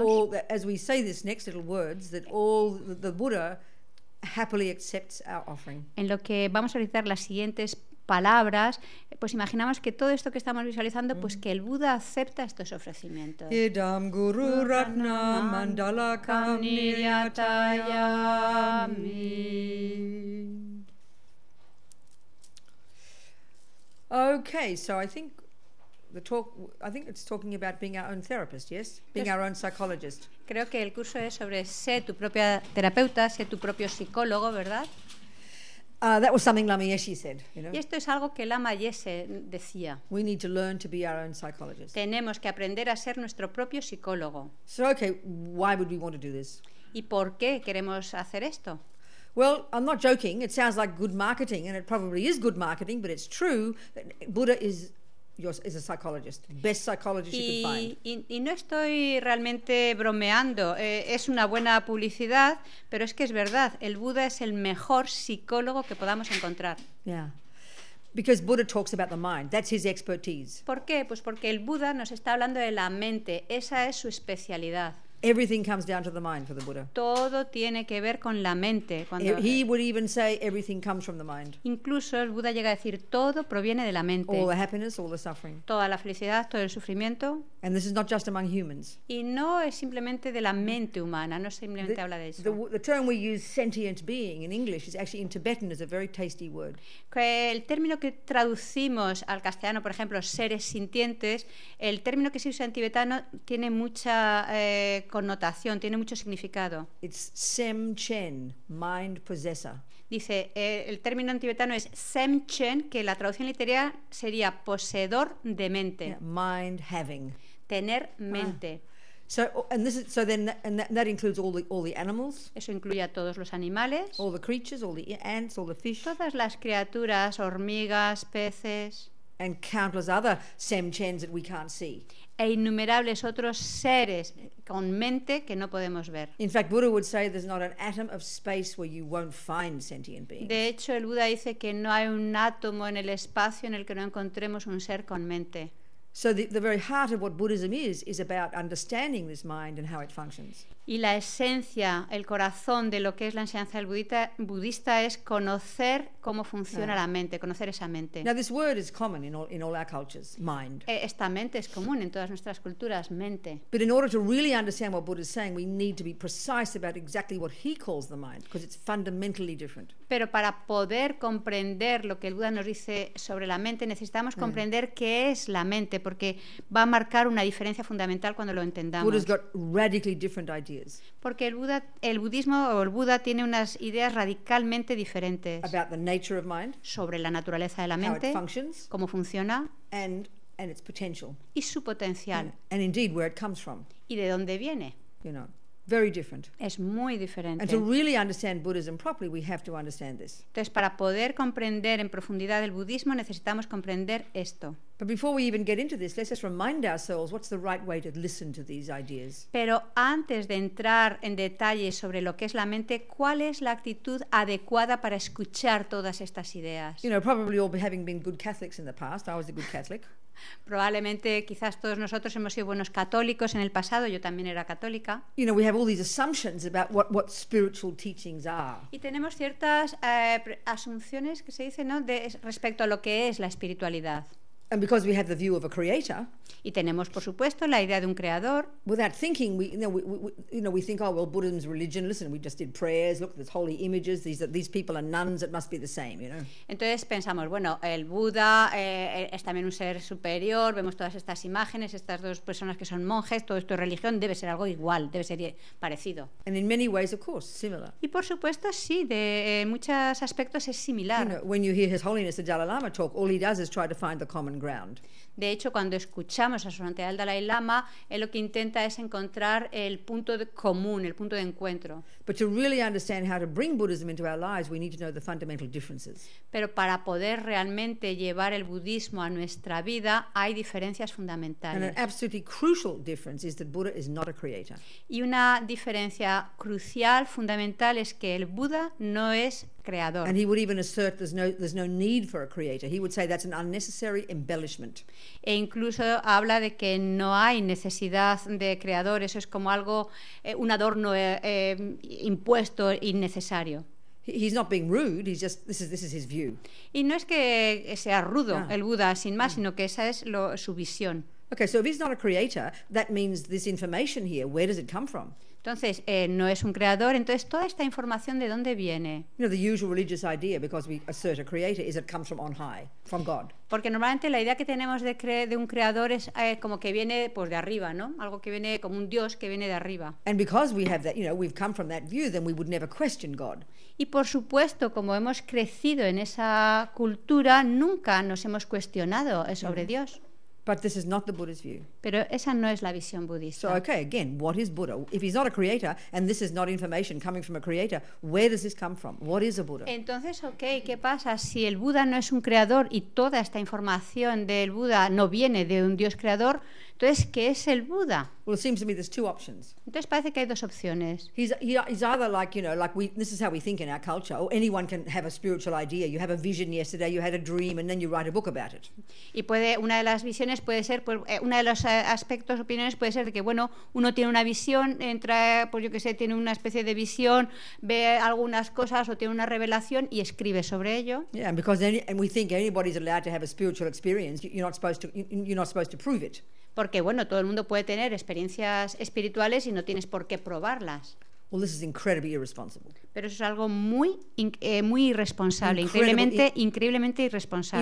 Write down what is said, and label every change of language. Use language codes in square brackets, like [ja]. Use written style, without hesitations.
[en] all, that as we say this next little words, that all the Buddha happily accepts our offering. [es] En lo que vamos a realizar las siguientes palabras, pues imaginamos que todo esto que estamos visualizando, pues que el Buda acepta estos ofrecimientos. [sa] Idam Guru Ratna Mandala Kamniyatayami. [en] Okay, so I think the talk, I think it's talking about being our own therapist, yes? Being our own psychologist. [es] Creo que el curso es sobre ser tu propia terapeuta, ser tu propio psicólogo, ¿verdad? [en] That was something Lama Yeshe said, you know? [es] Y esto es algo que Lama Yeshe decía. [en] We need to learn to be our own psychologist. [es] Tenemos que aprender a ser nuestro propio psicólogo. [en] So, okay, why would we want to do this? [es] ¿Y por qué queremos hacer esto? [en] Well, I'm not joking. It sounds like good marketing, and it probably is good marketing, but it's true that Buddha is... is a psychologist, best psychologist you can find. [es] Y no estoy realmente bromeando, es una buena publicidad, pero es que es verdad, el Buda es el mejor psicólogo que podamos encontrar. [en] Yeah. Because Buddha talks about the mind, that's his expertise. [es] ¿Por qué? Pues porque el Buda nos está hablando de la mente, esa es su especialidad. [en] Everything comes down to the mind for the Buddha. [es] Todo tiene que ver con la mente. Cuando [en] he would even say everything comes from the mind. [es] Incluso el Buda llega a decir todo proviene de la mente. [en] All the happiness, all the suffering. [es] Toda la felicidad, todo el sufrimiento. [en] And this is not just among humans. [es] Y no es simplemente de la mente humana, no simplemente habla de eso. [en] The term we use, sentient being, in English, is actually in Tibetan, is a very tasty word. [es] El término que traducimos al castellano, por ejemplo, seres sintientes, el término que se usa en tibetano tiene mucha connotación, tiene mucho significado. [en] It's Sem Chen, mind possessor. [es] Dice, el término en tibetano es Sem Chen, que la traducción literal sería poseedor de mente. [en] Yeah, mind having. [es] Tener mente. Eso incluye a todos los animales. [en] All the creatures, all the ants, all the fish. [es] Todas las criaturas, hormigas, peces. [en] And countless other Sem Chens that we can't see. [es] E innumerables otros seres con mente que no podemos ver. [en] In fact, Buddha would say there's not an atom of space where you won't find sentient beings. [es] De hecho, el Buda dice que no hay un átomo en el espacio en el que no encontremos un ser con mente. [en] So the very heart of what Buddhism is about understanding this mind and how it functions. [es] Y la esencia, el corazón de lo que es la enseñanza del budista es conocer cómo funciona la mente, conocer esa mente. [en] Now this word is common in all our cultures, mind. [es] Esta mente es común en todas nuestras culturas, mente. [en] But in order to really understand what Buddha is saying, we need to be precise about exactly what he calls the mind, because it's fundamentally different. [es] Pero para poder comprender lo que el Buda nos dice sobre la mente, necesitamos comprender qué es la mente, porque va a marcar una diferencia fundamental cuando lo entendamos. [en] Buddha's got radically different ideas. [es] Porque el budismo o el Buda tiene unas ideas radicalmente diferentes [en] about the nature of mind, [es] sobre la naturaleza de la mente, [en] how it functions, [es] cómo funciona [en] and its potential, [es] y su potencial [en] and indeed where it comes from. [es] Y de dónde viene. [en] You know, very different. [es] Es muy diferente. [en] And to really understand Buddhism properly, we have to understand this. [es] Entonces, para poder comprender en profundidad el budismo, necesitamos comprender esto. [en] But before we even get into this, let's just remind ourselves what's the right way to listen to these ideas. [es] Pero antes de entrar en detalle sobre lo que es la mente, ¿cuál es la actitud adecuada para escuchar todas estas ideas? [en] You know, probably all having been good Catholics in the past, I was a good Catholic. [es] Probablemente quizás todos nosotros hemos sido buenos católicos en el pasado, yo también era católica. [en] You know, we have all these assumptions about what spiritual teachings are. [es] Y tenemos ciertas asunciones que se dice, ¿no?, de respecto a lo que es la espiritualidad. [en] And because we have the view of a creator, [es] y tenemos por supuesto la idea de un creador. [en] Without thinking, we think, oh well, Buddhism's religion. Listen, we just did prayers. Look, there's holy images. These people are nuns. It must be the same, you know. [es] Entonces pensamos, bueno, el Buda es también un ser superior. Vemos todas estas imágenes, estas dos personas que son monjes. Todo esto es religión. Debe ser algo igual. Debe ser parecido. [en] And in many ways, of course, similar. [es] Y por supuesto, sí, de muchos aspectos es similar. [en] You know, when you hear His Holiness the Dalai Lama talk, all he does is try to find the common ground. [es] De hecho, cuando escuchamos a Su Santidad el Dalai Lama, él lo que intenta es encontrar el punto de común, el punto de encuentro. [en] But to really understand how to bring Buddhism into our lives, we need to know the fundamental differences. [es] Pero para poder realmente llevar el budismo a nuestra vida, hay diferencias fundamentales. [en] And an absolutely crucial difference is that Buddha is not a creator. [es] Y una diferencia crucial, fundamental, es que el Buda no es creador. [en] And he would even assert there's no need for a creator. He would say that's an unnecessary embellishment. [es] E incluso habla de que no hay necesidad de creador. Eso es como algo, un adorno impuesto innecesario. [en] He's not being rude. He's just this is his view. [es] Y no es que sea rudo el Buda sin más, sino que esa es su visión. [en] Okay, so if he's not a creator, that means this information here, where does it come from? [es] Entonces, no es un creador, entonces toda esta información, ¿de dónde viene? [en] You know, the usual religious idea, because we assert a creator, is it comes from on high, from God. [es] Porque normalmente la idea que tenemos de un creador es como que viene pues de arriba, ¿no? Algo que viene como un dios que viene de arriba. [en] And because we have that, you know, we've come from that view, then we would never question God. [es] Y por supuesto, como hemos crecido en esa cultura, nunca nos hemos cuestionado sobre Dios. [en] But this is not the Buddha's view. [es] Pero esa no es la visión budista. [en] So okay, again, what is Buddha? If he's not a creator and this is not information coming from a creator, where does this come from? What is a Buddha? [es] Entonces, okay, ¿qué pasa si el Buda no es un creador y toda esta información del Buda no viene de un dios creador? Entonces, ¿qué es el Buda? Well, it seems to me there's two options. Entonces parece que hay dos opciones. [en] He's either like, you know, like we, this is how we think in our culture, or anyone can have a spiritual idea. You have a vision yesterday, you had a dream, and then you write a book about it. [es] Y puede, una de las visiones puede ser, pues, una de los aspectos, opiniones puede ser de que, bueno, uno tiene una visión, entra, pues yo qué sé, tiene una especie de visión, ve algunas cosas o tiene una revelación y escribe sobre ello. [en] Yeah, and we think anybody's allowed to have a spiritual experience. You're not supposed to prove it. [es] Porque, bueno, todo el mundo puede tener experiencias espirituales y no tienes por qué probarlas. [en] Well, this is incredibly irresponsible. [es] Pero eso es algo muy, muy irresponsable, increíblemente irresponsable.